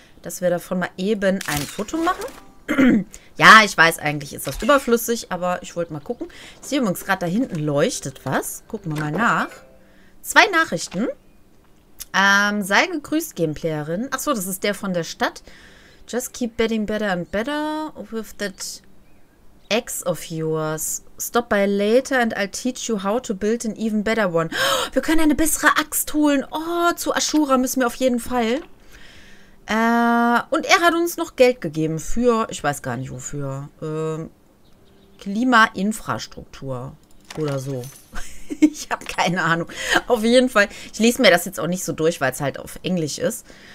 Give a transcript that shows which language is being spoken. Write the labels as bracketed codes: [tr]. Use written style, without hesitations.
[de] Dass wir davon mal eben ein Foto machen. Ja, ich weiß, eigentlich ist das überflüssig, aber ich wollte mal gucken. Ich sehe übrigens gerade, da hinten leuchtet was. Gucken wir mal nach. Zwei Nachrichten. Sei gegrüßt, Gameplayerin. Ach so, das ist der von der Stadt. [en] Just keep betting better and better with that ex of yours. Stop by later and I'll teach you how to build an even better one. [de] Wir können eine bessere Axt holen. Oh, zu Ashura müssen wir auf jeden Fall. Und er hat uns noch Geld gegeben für, ich weiß gar nicht wofür, Klimainfrastruktur oder so. Ich habe keine Ahnung. Auf jeden Fall. Ich lese mir das jetzt auch nicht so durch, weil es halt auf Englisch ist.